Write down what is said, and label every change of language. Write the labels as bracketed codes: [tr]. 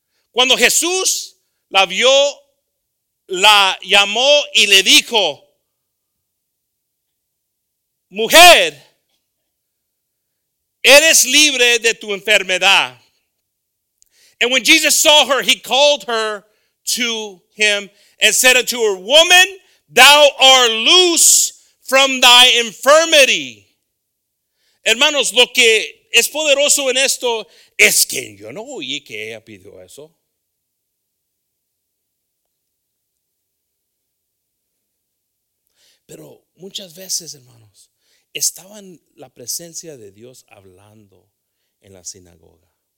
[es] Cuando Jesús la vio, la llamó y le dijo, mujer, eres libre de tu enfermedad. [en] And when Jesus saw her, he called her to him and said unto her, woman, thou art loose from thy infirmity. [es] Hermanos, lo que es poderoso en esto es que yo no oí que ella pidió eso. Pero muchas veces, hermanos, estaba en la presencia de Dios hablando en la sinagoga.